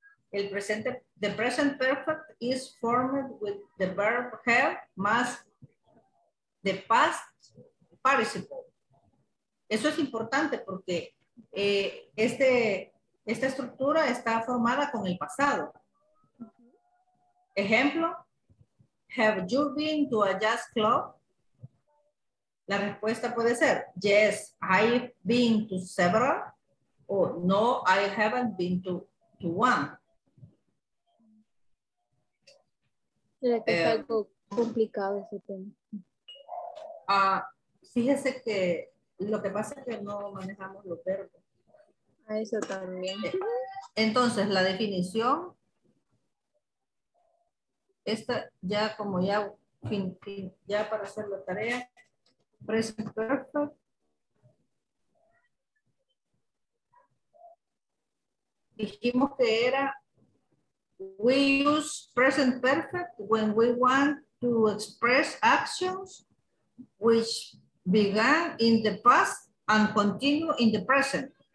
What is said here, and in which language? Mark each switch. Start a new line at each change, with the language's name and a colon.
Spanish: El presente,
English: the present perfect is formed with the verb have más the past participle.
Spanish: Eso es importante porque esta estructura está formada con el pasado.
English: Ejemplo, have you been to a jazz club?
Spanish: La respuesta puede ser,
English: yes, I've been to several, o no, I haven't been to one.
Spanish: Es algo complicado ese tema. Fíjese que lo que pasa es que no manejamos los verbos. Eso también. Entonces, la definición, esta ya como ya, ya para hacer la tarea, present perfect. Dijimos que era,
English: we use present perfect when we want to express actions which began in the past and continue in the present.